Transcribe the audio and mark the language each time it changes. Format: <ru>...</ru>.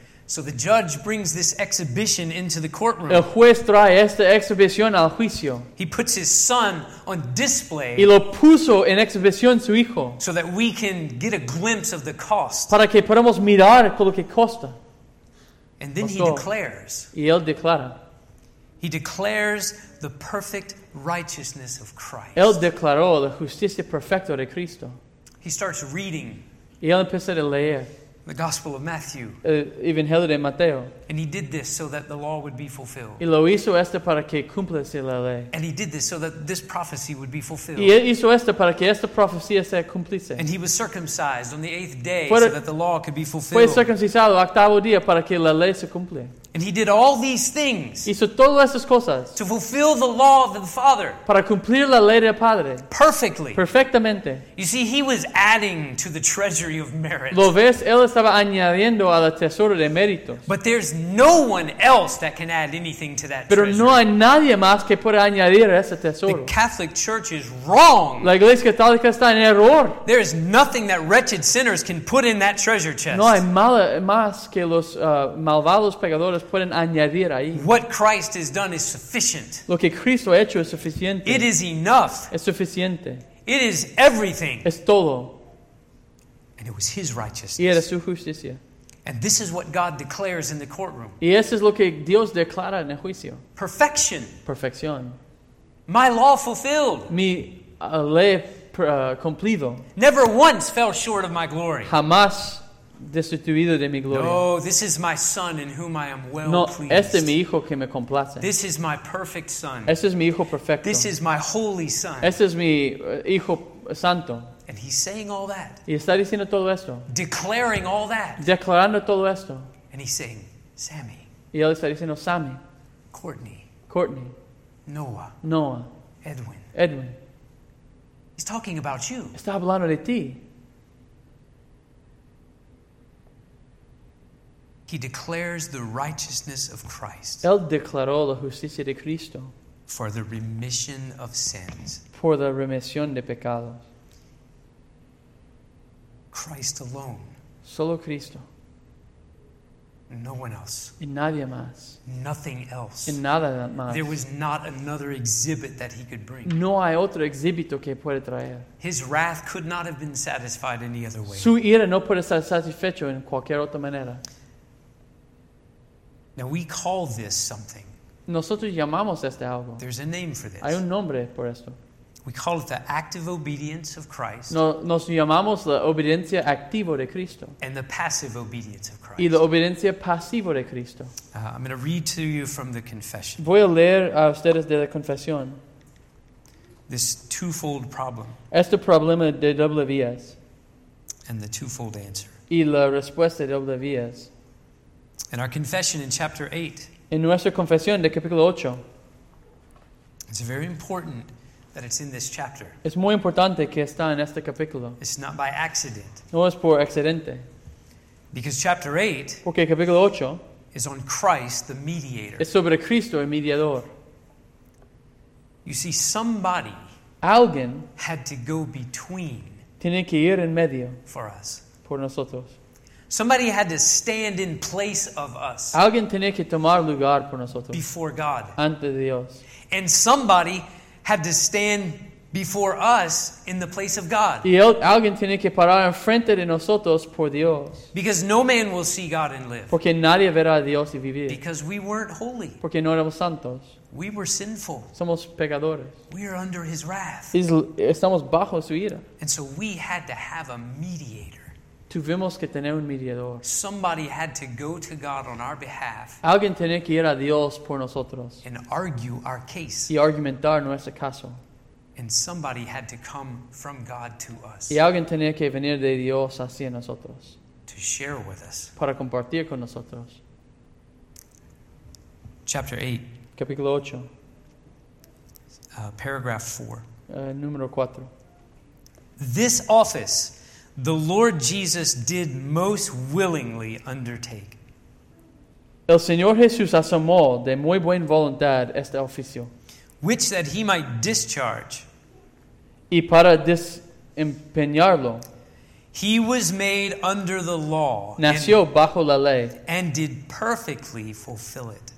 <en>So the judge brings this exhibition into the courtroom.</en> <es>El juez trae esta exhibición al juicio.</es> <en>He puts his son on display.</en> <es>Y lo puso en exhibición su hijo.</es> <en>So that we can get a glimpse of the cost.</en> <es>Para que podamos mirar lo que costa.</es> <en>And then he declares.</en> <es>Y él declara.</es> <en>He declares the perfect righteousness of Christ.</en> <es>Él declaró la justicia perfecta de Cristo.</es> <en>He starts reading.</en> <es>Y él empieza a leer.</es> <en>The Gospel of Matthew.</en> <es>El Evangelio de Mateo.</es> <en>And he did this so that the law would be fulfilled.</en> <es>Y lo hizo esto para que cumpliese la ley.</es> <en>And he did this so that this prophecy would be fulfilled.</en> <es>Y hizo esto para que esta profecía se cumpliese.</es> <en>And he was circumcised on the eighth day so that the law could be fulfilled.</en> <es>Fue circuncisado octavo día para que la ley se cumpla.</es> <en>And he did all these things.</en> <es>Hizo todas estas cosas.</es> <en>To fulfill the law of the Father.</en> <es>Para cumplir la ley del Padre.</es> <en>Perfectly.</en> <es>Perfectamente.</es> <en>You see, he was adding to the treasury of merit.</en> <es>Lo ves, él estaba añadiendo al tesoro de méritos.</es> <en>But there's no one else that can add anything to that treasure.</en> <es>Pero no hay nadie más que pueda añadir a ese tesoro.</es> <en>The Catholic Church is wrong.</en> <es>La Iglesia Católica está en error.</es> <en>There is nothing that wretched sinners can put in that treasure chest.</en> <es>No hay más que los malvados pecadores. Pueden añadir ahí.</es> <en>What Christ has done is sufficient.</en> <es>Lo que Cristo ha hecho es suficiente.</es> <en>It is enough.</en> <es>Es suficiente.</es> <en>It is everything.</en> <es>Es todo.</es> <en>And it was his righteousness.</en> <es>Y era su justicia.</es> <en>And this is what God declares in the courtroom.</en> <es>Y eso es lo que Dios declara en el juicio.</es> <en>Perfection.</en> <es>Perfección.</es> <en>My law fulfilled.</en> <es>Mi ley cumplido.</es> <en>Never once fell short of my glory.</en> <es>Jamás destituido de mi gloria.</es> <en>No, this is my son in whom I am well</en> <es>no,</es> <en>pleased.</en> <es>Este es mi hijo que me complace.</es> <en>This is my perfect son.</en> <es>Este es mi hijo perfecto.</es> <en>This is my holy son.</en> <es>Este es mi hijo santo.</es> <en>And he's saying all that.</en> <es>Y está diciendo todo esto.</es> <en>Declaring all that.</en> <es>Declarando todo esto.</es> <en>And he's saying, Sammy.</en> <es>Y él está diciendo, Sammy.</es> <en>Courtney.</en> <es>Courtney.</es> <en>Noah.</en> <es>Noah.</es> <en>Edwin.</en> <es>Edwin.</es> <en>He's talking about you.</en> <es>Está hablando de ti.</es> <en>He declares the righteousness of Christ.</en> <es>Él declaró la justicia de Cristo.</es> <en>For the remission of sins.</en> <es>Por la remisión de pecados.</es> <en>Christ alone.</en> <es>Solo Cristo.</es> <en>No one else.</en> <es>Y nadie más.</es> <en>Nothing else.</en> <es>Y nada más.</es> <en>There was not another exhibit that he could bring.</en> <es>No hay otro exhibito que puede traer.</es> <en>His wrath could not have been satisfied any other way.</en> <es>Su ira no puede ser satisfecho en cualquier otra manera.</es> <en>Now we call this something.</en> <es>Nosotros llamamos este algo.</es> <en>There's a name for this.</en> <es>Hay un nombre por esto.</es> <en>We call it the active obedience of Christ.</en> <es>Nos llamamos la obediencia activa de Cristo.</es> <en>And the passive obedience of Christ.</en> <es>Y la obediencia pasiva de Cristo.</es> <en>I'm going to read to you from the confession.</en> <es>Voy a leer a ustedes de la confesión.</es> <en>This twofold problem.</en> <es>Este problema de doble vías.</es> <en>And the twofold answer.</en> <es>Y la respuesta de doble vías.</es> <en>In our confession in chapter 8.</en> <es>En nuestra confesión de capítulo 8.</es> <en>It's very important that it's in this chapter.</en> <es>Es muy importante que está en este capítulo.</es> <en>It's not by accident.</en> <es>No es por accidente.</es> <en>Because chapter 8.</en> <es>Porque el capítulo 8.</es> <en>Is on Christ the mediator.</en> <es>Es sobre Cristo el mediador.</es> <en>You see, somebody.</en> <es>Alguien.</es> <en>Had to go between.</en> <es>Tiene que ir en medio.</es> <en>For us.</en> <es>Por nosotros.</es> <en>Somebody had to stand in place of us.</en> <es>Alguien tiene que tomar lugar por nosotros.</es> <en>Before God.</en> <es>Ante Dios.</es> <en>And somebody had to stand before us in the place of God.</en> <es>Y alguien tiene que parar enfrente de nosotros por Dios.</es> <en>Because no man will see God and live.</en> <es>Porque nadie verá a Dios y vivir.</es> <en>Because we weren't holy.</en> <es>Porque no éramos santos.</es> <en>We were sinful.</en> <es>Somos pecadores.</es> <en>We are under his wrath.</en> <es>Estamos bajo su ira.</es> <en>And so we had to have a mediator.</en> <es>Tuvimos que tener un mediador.</es> <en>Somebody had to go to God on our behalf.</en> <es>Alguien tenía que ir a Dios por nosotros.</es> <en>And argue our case.</en> <es>Y argumentar nuestro caso.</es> <en>And somebody had to come from God to us.</en> <es>Y alguien tenía que venir de Dios hacia nosotros.</es> <en>To share with us.</en> <es>Para compartir con nosotros.</es> <en>Chapter 8.</en> <es>Capítulo 8.</es> <en>Paragraph 4.</en> <es>Número 4.</es> <en>This office the Lord Jesus did most willingly undertake.</en> <es>El Señor Jesús asomó de muy buena voluntad este oficio.</es> <en>Which that he might discharge.</en> <es>Y para desempeñarlo.</es> <en>He was made under the law.</en> <es>Nació and, bajo la ley.</es> <en>And did perfectly fulfill it.</en>